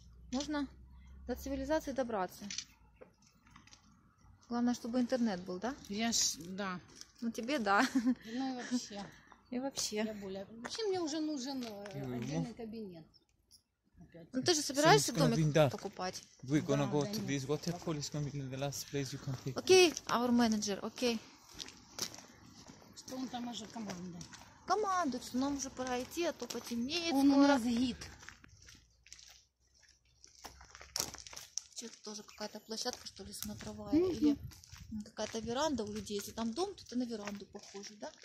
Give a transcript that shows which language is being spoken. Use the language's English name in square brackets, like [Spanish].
[Russian] Можно до цивилизации добраться. Главное, чтобы интернет был, да? Я ж, да. Ну, тебе да. Ну, и вообще. И вообще. Я более... Вообще, мне уже нужен отдельный кабинет. Опять. Ну, ты же собираешься домик покупать? [English] We're gonna go to this waterfall. It's gonna be the last place you can pick. Okay, our manager, okay. [Russian] Что он там уже командует? Командует, что нам уже пора идти, а то потемнеет. Он у нас гид. Это тоже какая-то площадка, что ли, смотровая. Mm-hmm. Или какая-то веранда у людей. Если там дом, то это на веранду похоже, да?